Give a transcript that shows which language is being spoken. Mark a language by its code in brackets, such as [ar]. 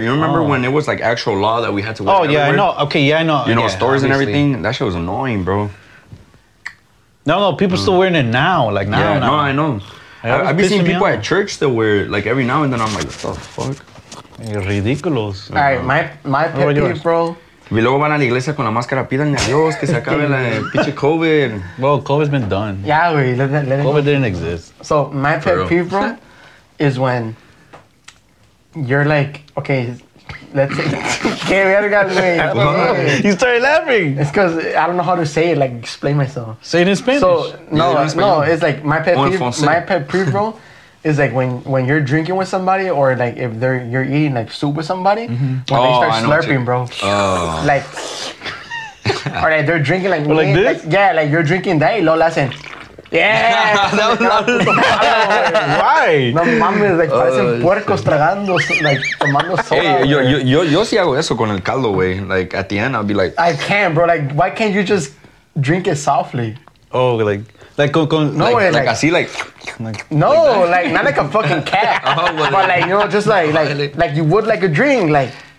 [en] You remember when it was like actual law that we had to wear? Oh, yeah, I know. Okay, yeah, I know. You know, yeah, stores obviously. And everything. That shit was annoying, bro. No, people still wearing it now. Like now. Yeah, no, I know. I be seeing people at church still wear it. Like every now and then I'm like, what the fuck? Ridiculous. All right, my pet peeve, bro. [es] Y luego van a la iglesia con la máscara, pidan a Dios que se acabe la pinche COVID. [en] Well, COVID's been done. Yeah, güey. Let COVID didn't exist. So my pet peeve, bro, is when you're like, okay, let's say, we gotta go away. You started laughing. It's because I don't know how to say it, like explain myself. Say it in Spanish. So, no, it's like my pet peeve, bro, is like when you're drinking with somebody or like if you're eating like soup with somebody, mm-hmm. when they start slurping, bro. Oh. Like, all right, they're drinking like, well, me, like this? Like, yeah, like you're drinking that, [es] lo hacen. [en] Yeah, that was not why. [es] No mames, like parecen puercos tragando, like tomando soda. Hey, yo sí hago eso con el caldo, güey. [en] Like at the end, I'll be like, I can't, bro. Like, why can't you just drink it softly? Oh, like con no like, way, like así, like no, like not like a fucking cat, oh, but like you know, just like you would like a drink, like.